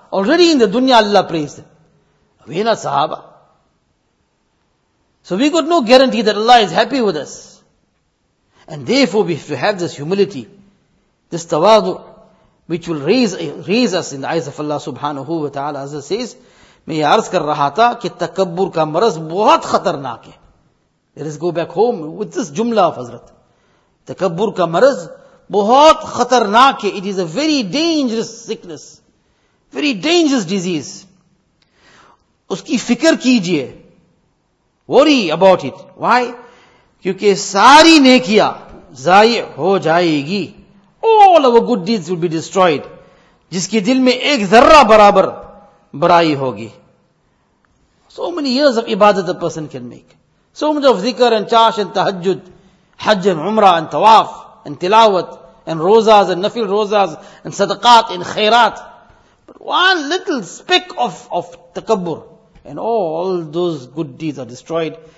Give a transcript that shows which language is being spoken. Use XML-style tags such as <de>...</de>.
<en>Already in the dunya Allah praised them. We are not sahaba. So we got no guarantee that Allah is happy with us. And therefore we have to have this humility, this tawadu, which will raise us in the eyes of Allah subhanahu wa ta'ala. As it says,</en> <ur>میں یہ عرض کر رہا تھا کہ تکبر کا مرض بہت خطرناک ہے.</ur> <en>Let us go back home with this jumla of Hazrat.</en> <ur>تکبر کا مرض بہت خطرناک ہے.</ur> <en>It is a very dangerous sickness. Very dangerous disease.</en> <ur>اس کی فکر کیجئے.</ur> <en>Worry about it. Why?</en> <ur>کیونکہ ساری نیکیاں ضائع ہو جائے گی.</ur> <en>All our good deeds will be destroyed.</en> <ur>جس کے دل میں ایک ذرہ برابر برائی ہوگی.</ur> <en>So many years of ibadat a person can make. So much of dhikr and chash and tahajjud, hajj and umrah and tawaf and tilawat and rozas and nafil rozas and sadaqat and khairat. But one little speck of takabbur and all those good deeds are destroyed.</en>